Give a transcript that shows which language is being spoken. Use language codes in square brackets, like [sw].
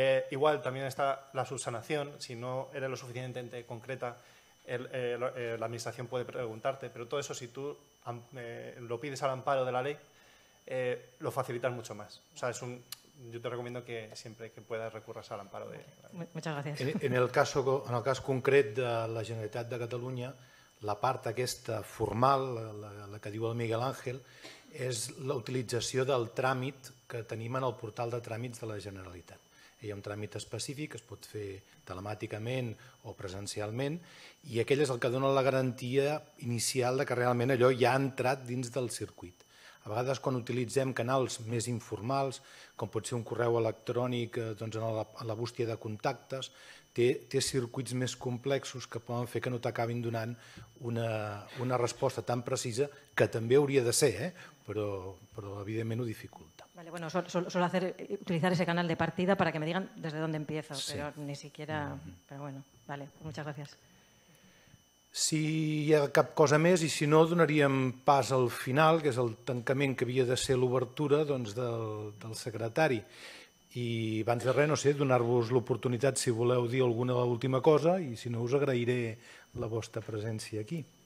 [es] Igual, también está la subsanación. Si no eres lo suficientemente concreta, la administración puede preguntarte. Pero todo eso, si tú lo pides al amparo de la ley, lo facilitas mucho más. O sea, yo te recomiendo que siempre que puedas recurras al amparo de... Muchas gracias. [ca] En el cas concret de la Generalitat de Catalunya, la part aquesta formal, la que diu el Miguel Ángel, és l'utilització del tràmit que tenim en el portal de tràmits de la Generalitat. Hi ha un tràmit específic, es pot fer telemàticament o presencialment, i aquell és el que dona la garantia inicial de que realment allò ja ha entrat dins del circuit. A vegades, quan utilitzem canals més informals, com pot ser un correu electrònic doncs, a la bústia de contactes, té circuits més complexos que poden fer que no t'acabin donant una resposta tan precisa, que també hauria de ser, però evidentment ho dificulta. [es] Vale, bueno, solo hacer, utilizar ese canal de partida para que me digan desde dónde empiezo, sí. Pero ni siquiera... Mm-hmm. Pero bueno, vale, muchas gracias. [ca] Si hi ha cap cosa més, i si no, donaríem pas al final, que és el tancament que havia de ser l'obertura doncs, del secretari. I abans de res, no sé, donar-vos l'oportunitat si voleu dir alguna última cosa i si no, us agrairé la vostra presència aquí.